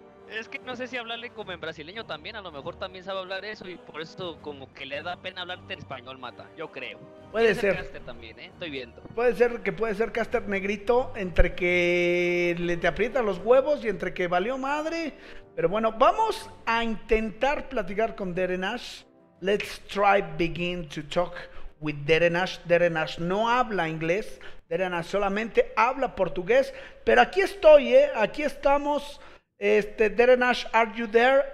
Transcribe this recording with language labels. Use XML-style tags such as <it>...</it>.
<es>Es que no sé si hablarle como en brasileño también, a lo mejor también sabe hablar eso y por eso como que le da pena hablarte en español, Mata, yo creo. Puede ser. Caster también, estoy viendo. Puede ser que puede ser caster negrito entre que le te aprietan los huevos y entre que valió madre. Pero bueno, vamos a intentar platicar con Darren Ash.</es> <en>Let's try begin to talk with Darren Ash.</en> <es>Darren Ash no habla inglés, Darren Ash solamente habla portugués. Pero aquí estoy, aquí estamos.</es> <en>Darren Ash, are you there?</en>